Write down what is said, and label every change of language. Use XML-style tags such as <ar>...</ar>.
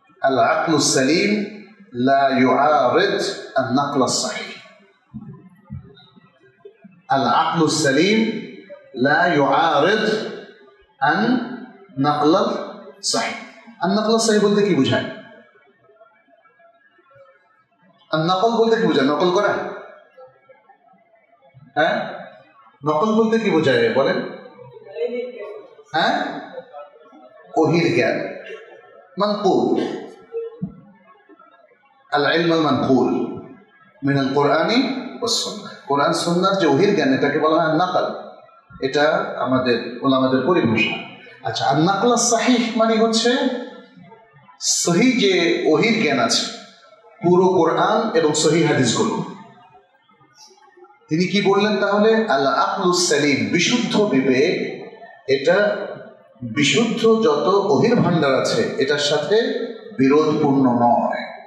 <ar>العقل السليم لا يعارض النقل الصحيح. العقل السليم لا يعارض ان نقل صحيح. النقل الصحيح</ar> <bn>বলতে কি বোঝায়? النقل বলতে কি বোঝায়? নকল করা। হ্যাঁ, নকল বলতে কি বোঝায় বলেন? হ্যাঁ, ওহির জ্ঞান, মানকুল</bn> <ar>العلم المنقول من القران والسنه. قران سنه</ar> <bn>جو হির জ্ঞান এটাকে বলা হয় নকল, এটা আমাদের ওলামাদের পরিভাষা। আচ্ছা, আর নকল সহিহ মানে হচ্ছে সহি যে ওহির জ্ঞান আছে পুরো কোরআন এবং সহি হাদিস গুলো। তিনি কি বললেন তাহলে? আল আকলু সালিম, বিশুদ্ধ বিবেক, এটা বিশুদ্ধ যত ওহির ভান্ডার আছে এটার সাথে বিরোধপূর্ণ নয়।</bn>